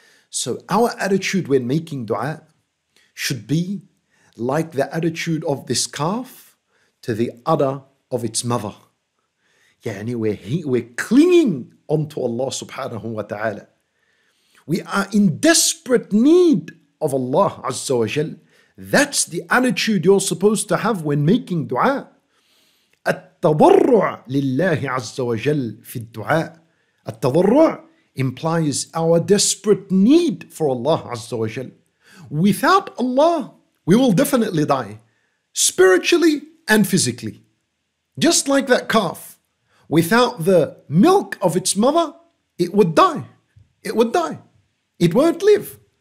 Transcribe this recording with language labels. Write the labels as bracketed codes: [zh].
[en] So our attitude when making dua should be like the attitude of this calf to the udder of its mother. Yeah, anyway, we're clinging onto Allah subhanahu wa ta'ala. We are in desperate need of Allah azza wa jal. That's the attitude you're supposed to have when making dua. [ar] التضرع لله عز وجل في الدعاء. [en] التضرع implies our desperate need for Allah عز وجل. Without Allah, we will definitely die, spiritually and physically. Just like that calf, without the milk of its mother, it would die. It would die. It won't live.